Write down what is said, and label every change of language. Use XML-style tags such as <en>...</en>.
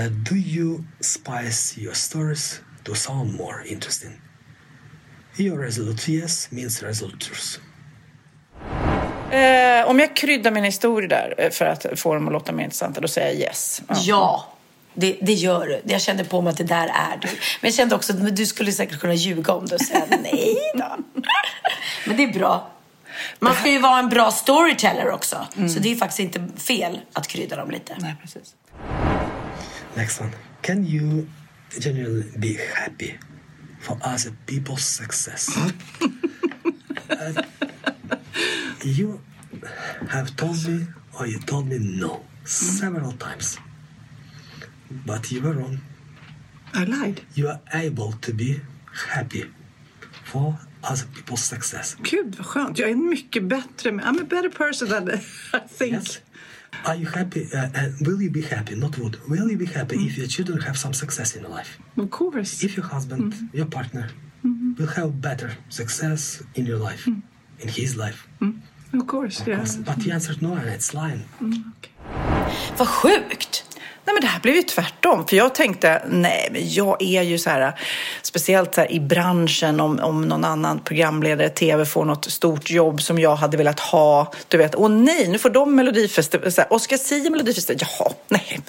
<en>Do you spice your stories to sound more interesting? Your resolute yes means resolutes.</en> <sv>Om jag kryddar mina historier där för att få dem att låta mer intressanta, då säger jag yes. Ja. Det gör du. Jag kände på mig att det där är du. Men jag kände också att du skulle säkert kunna ljuga om det och säga nej då. Men det är bra. Man ska ju vara en bra storyteller också. Mm. Så det är faktiskt inte fel att krydda dem lite. Nej, precis.</sv> <en>Next one. Can you genuinely be happy for other people's success? You have told me or you told me no several times. But you were wrong. I lied. You are able to be happy for other people's success.</en> <sv>Gud, vad skönt. Jag är en mycket bättre...</sv> <en>I'm a better person than I think. Yes. Are you happy? Will you be happy? Not would. Will you be happy if your children have some success in life? Of course. If your husband, your partner, will have better success in your life, in his life. Of course, of course. But the answer is no, and it's lying. Okay.</en> <sv>Vad sjukt! Nej, men det här blev ju tvärtom. För jag tänkte, nej, men jag är ju så här... Speciellt så här i branschen, om någon annan programledare, tv, får något stort jobb som jag hade velat ha. Du vet, åh nej, nu får de Melodifestivalen. Så här, och ska jag säga Melodifestivalen? Jaha, nej.</sv>